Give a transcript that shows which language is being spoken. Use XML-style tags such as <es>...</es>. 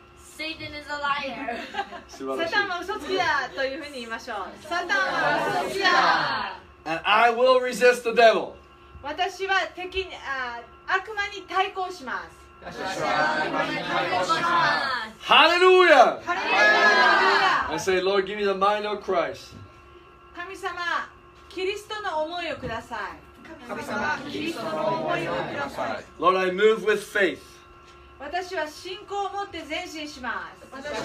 <en>Satan is a liar.</en> <ja>サタンは嘘つきだというふうに言いましょう。サタンは嘘つきだ。</ja> <en>And I will resist the devil.</en> <ja>私は敵に悪魔に対抗します。ハレルヤ。ハレルヤ。</ja> <en>I say, Lord, give me the mind of Christ.</en> <ja>神様、キリストの思いをください。神様、キリストの思いをください。</ja> <en>Lord, I move with faith.</en> <ja>私は信仰を持って前進します。</ja>